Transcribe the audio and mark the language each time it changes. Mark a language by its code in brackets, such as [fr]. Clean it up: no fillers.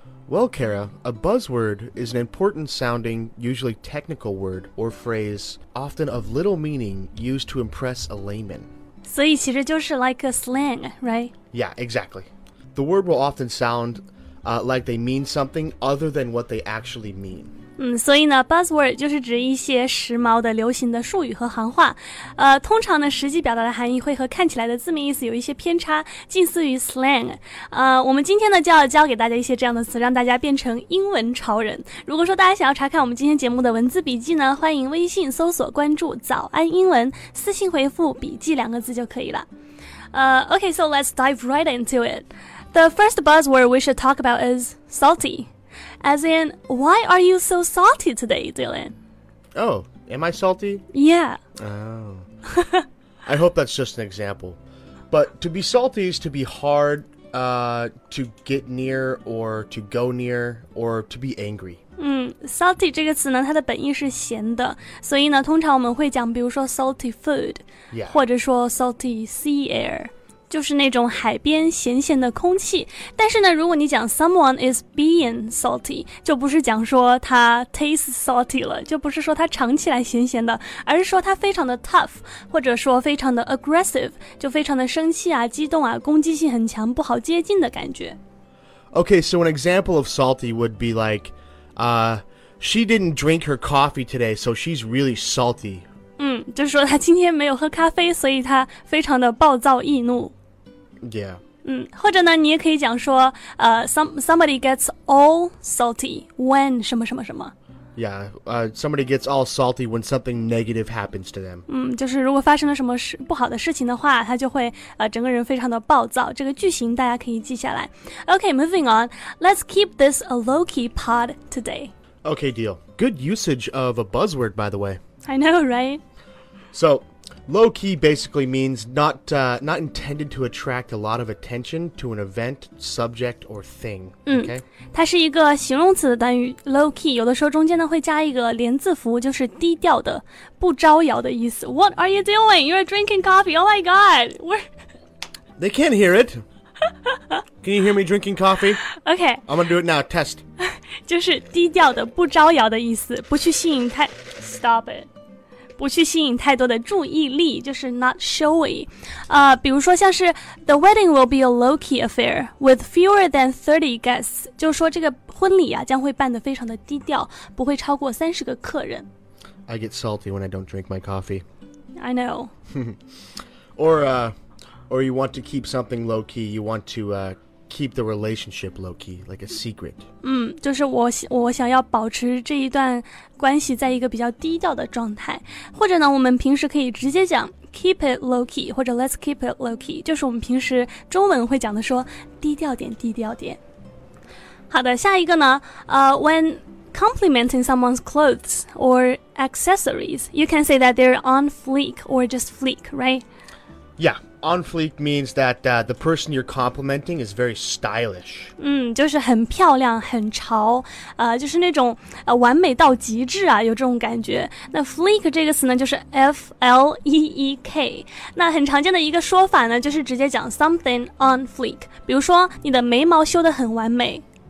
[en] Well, Kara, a buzzword is an important sounding, usually technical word or phrase, often of little meaning, used to impress a layman. [zh] 所以其实就是 [en] like a slang, right? Yeah, exactly. The word will often sound, like they mean something other than what they actually mean. [zh] 所以呢 buzzword 就是指一些时髦的流行的术语和行话。通常呢实际表达的含义会和看起来的字面意思有一些偏差，近似于 slang。我们今天呢就要教给大家一些这样的词，让大家变成英文潮人。如果说大家想要查看我们今天节目的文字笔记呢，欢迎微信搜索关注早安英文，私信回复笔记两个字就可以了。 [en] Okay, so let's dive right into it. The first buzzword we should talk about is salty. As in, why are you so salty today, Dylan? Oh, am I salty? Yeah. Oh. I hope that's just an example. But to be salty is to be hard, to get near or to go near or to be angry. [zh] Salty 这个词呢它的本意是咸的，所以呢通常我们会讲比如说 [en] salty food,、 yeah. [zh] 或者说 [en] salty sea air. [zh] 就是那种海边咸咸的空气，但是呢如果你讲 [en] someone is being salty [zh] 就不是讲说他 [en] tastes salty [zh] 了，就不是说他尝起来咸咸的，而是说他非常的 tough 或者说非常的 aggressive， 就非常的生气啊激动啊攻击性很强不好接近的感觉。 [en] Okay, so an example of salty would be like she didn't drink her coffee today, so she's really salty [zh] 就是说他今天没有喝咖啡，所以他非常的暴躁易怒。 [en] Yeah. [zh] 或者呢，你也可以讲说， [en] somebody gets all salty when [zh] 什么什么什么。 [en] Yeah, somebody gets all salty when something negative happens to them. [zh] 就是如果发生了什么不好的事情的话，他就会整个人非常的暴躁。这个句型大家可以记下来。 [en] Okay, moving on. Let's keep this a low-key pod today. Okay, deal. Good usage of a buzzword, by the way. I know, right? So, low-key basically means not intended to attract a lot of attention to an event, subject, or thing, okay? [zh] 它是一个形容词的单语 low-key, 有的时候中间呢会加一个连字符，就是低调的、不招摇的意思。 [en] What are you doing? You're drinking coffee. Oh my god! They can't hear it. Can you hear me drinking coffee? Okay. I'm gonna do it now. Test. [zh] 就是低调的、不招摇的意思，不去吸引太…… [en] Stop it. [zh] 不去吸引太多的注意力，就是 [en] not showy. [zh] 比如说像是 [en] The wedding will be a low-key affair with fewer than 30 guests. [zh] 就是说这个婚礼啊将会办得非常的低调，不会超过30个客人。 [en] I get salty when I don't drink my coffee. I know. or you want to keep something low-key, you want to keep the relationship low-key, like a secret. [zh] 就是我想要保持这一段关系在一个比较低调的状态。或者呢我们平时可以直接讲 [en] keep it low-key, [zh] 或者 [en] let's keep it low-key, [zh] 就是我们平时中文会讲的说低调点低调点。好的，下一个呢 [en] when complimenting someone's clothes or accessories, you can say that they're on fleek or just fleek, right? Yeah. On fleek means that the person you're complimenting is very stylish. [zh] 就是很漂亮很潮就是那种完美到极致啊有这种感觉。那 fleek 这个词呢就是 F-L-E-E-K。那很常见的一个说法呢就是直接讲 [en] something on fleek。 [zh] 比如说你的眉毛修得很完美。